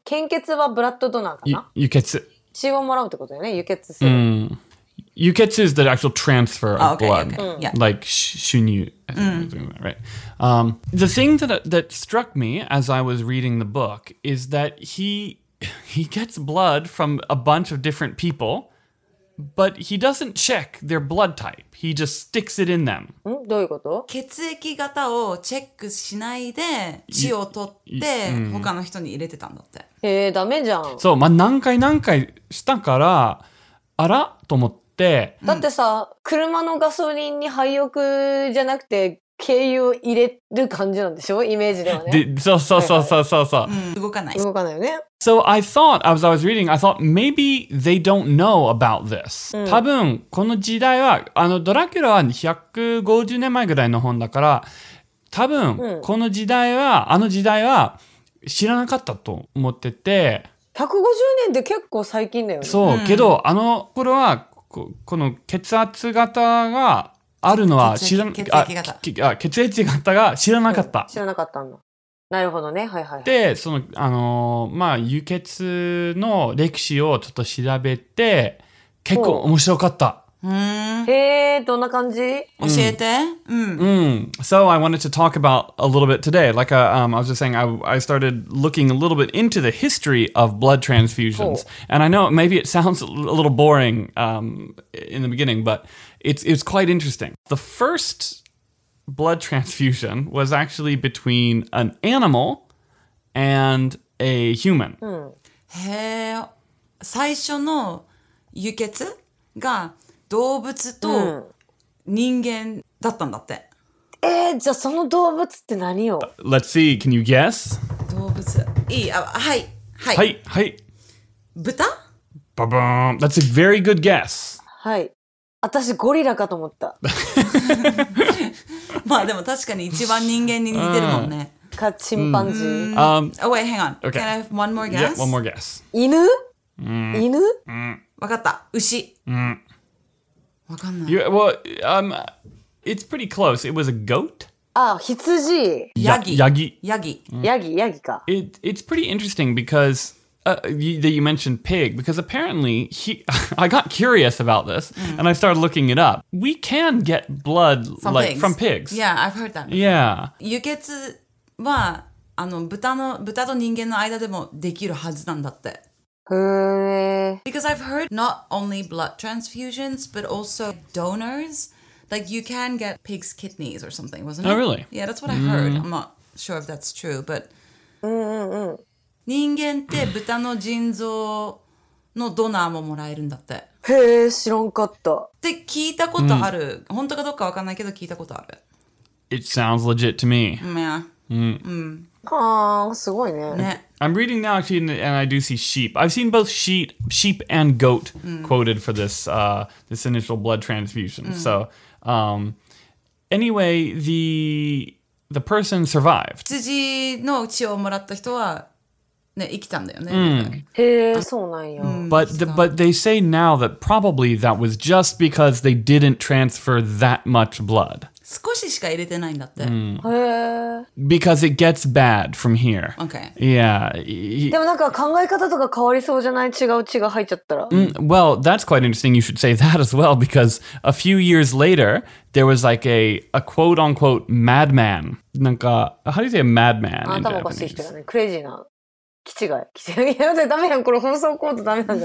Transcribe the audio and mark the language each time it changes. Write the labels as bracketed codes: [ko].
[ja] 献血はブラッドドナーかな? 輸血。血をもらうってことだよね。輸血する。うん。 [en] Yuketsu is the actual transfer of blood, like shunyu, right? The thing that struck me as I was reading the book is that he gets blood from a bunch of different people, but he doesn't check their blood type. He just sticks it in them. [ja] どういうこと? 血液型をチェックしないで血を取って他の人に入れてたんだって。へえ、ダメじゃん。そう、まあ何回したからあらと思って。だってさ、うん、車のガソリンに廃油じゃなくて軽油を入れる感じなんでしょ?イメージではね。そうそうそうそうそうそう。動かない。動かないよね。 [en] So I thought, as I was reading, I thought maybe they don't know about this.、 [ja] うん、多分この時代は、あのドラキュラは150年前ぐらいの本だから、多分この時代は、うん、あの時代は知らなかったと思ってて。 150年って結構最近だよね。そう、うん、けどあの頃は、この血圧型があるのは知らなかった。血液型が知らなかった。知らなかったんだ。なるほどね、はいはい、はい、で、その、まあ、輸血の歴史をちょっと調べて結構面白かった。へえ、どんな感じ？教えて。うん。うん。 [en] So I wanted to talk about a little bit today. Like I was just saying, I started looking a little bit into the history of blood transfusions. And I know maybe it sounds a little boring in the beginning, but it's quite interesting. The first blood transfusion was actually between an animal and a human. [ja] へえ、最初の輸血が動物と人間だったんだって。うん、じゃあその動物って何を？ [en] Let's see, can you guess? [ja] 動物。いい、あ、はい、はい。はい、はい。豚？ [en] バブーン。That's a very good guess. [ja] はい。私ゴリラかと思った。まあでも確かに一番人間に似てるもんね。か、チンパンジー。 [en] Oh wait, hang on. Okay. Can I have one more guess? Yeah, one more guess. [ja] 犬？犬？わかった。牛。 [en] You, well, it's pretty close. It was a goat. [ja] Ah, 羊. Yagi. Yagi. Yagi. Yagi. Ka. [en] It's pretty interesting because you mentioned pig, because apparently I got curious about this and I started looking it up. We can get blood from pigs. Yeah, I've heard that. Yeah. [ja] 輸血はあの豚と人間の間でもできるはずなんだって。 [en] Because I've heard not only blood transfusions, but also donors. Like, you can get pig's kidneys or something, wasn't it? Oh, really? Yeah, that's what I heard. I'm not sure if that's true, but... [ja] 人間って豚の腎臓のドナーももらえるんだって。へえ、知らんかった。って聞いたことある。本当かどうかわかんないけど聞いたことある。 [en] It sounds legit to me. Yeah. I'm reading now actually, and I do see sheep. I've seen both sheep and goat quoted for this this initial blood transfusion. So, anyway, the person survived. [ja] 羊の血をもらった人はね、生きたんだよね。へえ、そうなんよ。 [en] But they say now that probably that was just because they didn't transfer that much blood. [ja] 少ししか入れてないんだって。 [en] Because it gets bad from here. Okay. Yeah. [ja] でもなんか考え方とか変わりそうじゃない？違う血が入っちゃったら。 [en] Well, that's quite interesting. You should say that as well, because a few years later, there was like a quote-unquote madman. なんか、how do you say a madman in Japanese? [ja] 頭おかしい人だね。クレイジーな。キチガイ。キチガイ。やめて、ダメやん。これ放送コードダメなんだ